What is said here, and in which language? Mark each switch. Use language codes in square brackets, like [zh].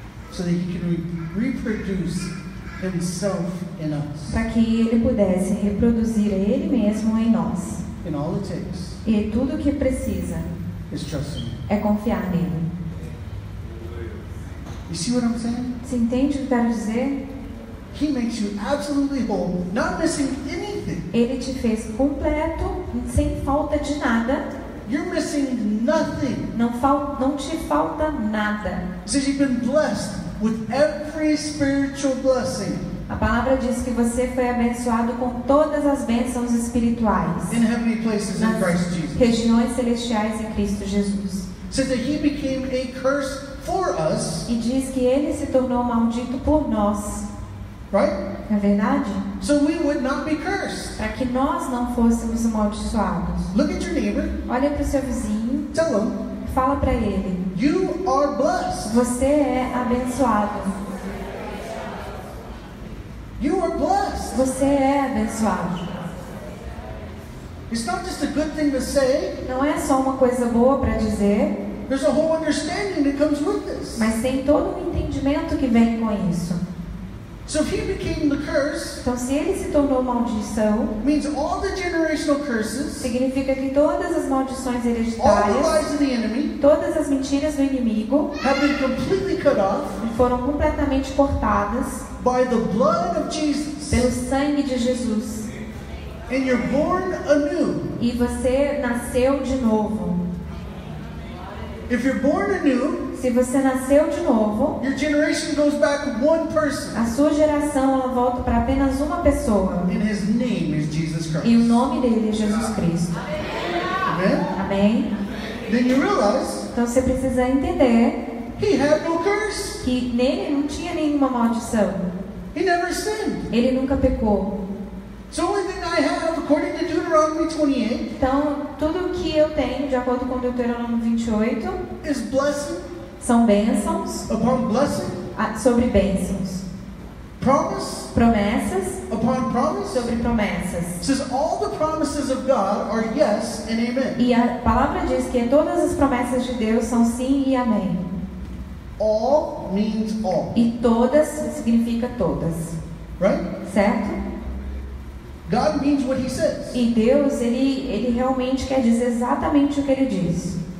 [en] So that he can reproduce himself in us. [pt] Para que ele pudesse reproduzir ele mesmo em nós. [en] In all it takes. [pt] E tudo que precisa. [en] Is trusting. [pt] É confiar nele. [en] You see what I'm saying? [pt] Você entende o que eu quero dizer? [en] He makes you absolutely whole, not missing anything. [pt] Ele te fez completo, sem falta de nada. [en] You're missing nothing. [pt] Não te falta nada. [en] Says you've been blessed with every spiritual blessing. [pt] A palavra diz que você foi abençoado com todas as bênçãos espirituais. [en] In heavenly places in Christ Jesus. [pt] Regiões celestiais em Cristo Jesus. [en] Says that he became a curse for us. [pt] E diz que ele se tornou maldito por nós. [en] Right? [pt] É verdade? [en] So we would not be cursed. [pt] Para que nós não fôssemos amaldiçoados. [en] Look at your neighbor. [pt] Olha para o seu vizinho. [en] Tell him. [pt] Fala para ele. [en] You are blessed. [pt] Você é abençoado. [en] You are blessed. [pt] Você é abençoado. [en] It's not just a good thing to say. [pt] Não é só uma coisa boa para dizer. [en] There's a whole understanding that comes with this. [pt] Mas tem todo um entendimento que vem com isso. [en] So if he became the curse, [pt] então se ele se tornou maldição, [en] means all the generational curses, [pt] significa que todas as maldições hereditárias, [en] all the lies of the enemy, [pt] todas as mentiras do inimigo, [en] have been completely cut off, [pt] foram completamente cortadas, [en] by the blood of Jesus, [pt] pelo sangue de Jesus, [en] and you're born anew, [pt] e você nasceu de novo. [en] If you're born anew, [pt] se você nasceu de novo, [en] your generation goes back one person. [pt] A sua geração ela volta para apenas uma pessoa. [en] And his name is Jesus Christ. [pt] E o nome dele é Jesus Cristo. [en] Amen. [pt] Amém. [en] Then you realize, [pt] então você precisa entender, [en] he had no curse. [pt] Que nele não tinha nenhuma maldição. [en] He never sinned. [pt] Ele nunca pecou. [en] So the only thing I have, according to Deuteronomy 28, [pt] então, tudo o que eu tenho, de acordo com Deuteronomy 28, [en] is blessing. [pt] São bênçãos. [en] Upon blessing. [pt] Sobre bênçãos. [en] Promise. [pt] Promessas. [en] Upon promise. [pt] Sobre promessas. [en] It says all the promises of God are yes and amen. [pt] E a palavra diz que todas as promessas de Deus são sim e amém. [en] All means all. [pt] E todas significa todas. [en] Right? [pt] Certo? [en] God means what he says. [pt] E Deus, ele realmente quer dizer exatamente o que ele diz.